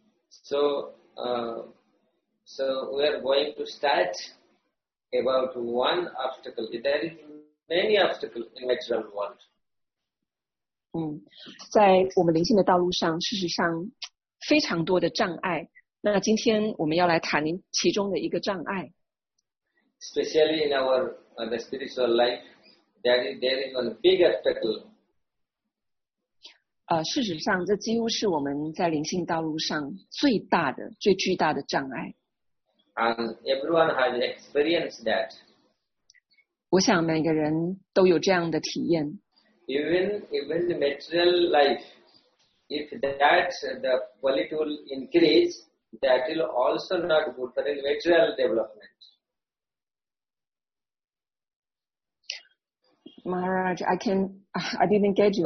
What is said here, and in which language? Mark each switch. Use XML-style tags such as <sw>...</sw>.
<en>So we are going to start. About one obstacle. There is many obstacles in natural world.</en> <zh>在我们灵性的道路上，事实上非常多的障碍。那今天我们要来谈其中的一个障碍。</zh> <en>Especially in our the spiritual life, there is one big obstacle.</en> <zh>事实上，这几乎是我们在灵性道路上最大的、最巨大的障碍。</zh> <en>And everyone has experienced that.</en> <zh>我想每个人都有这样的体验。</zh> <en>Even the material life, if that the quality will increase, that will also not good for the material development. Maharaj, I didn't get you.</en>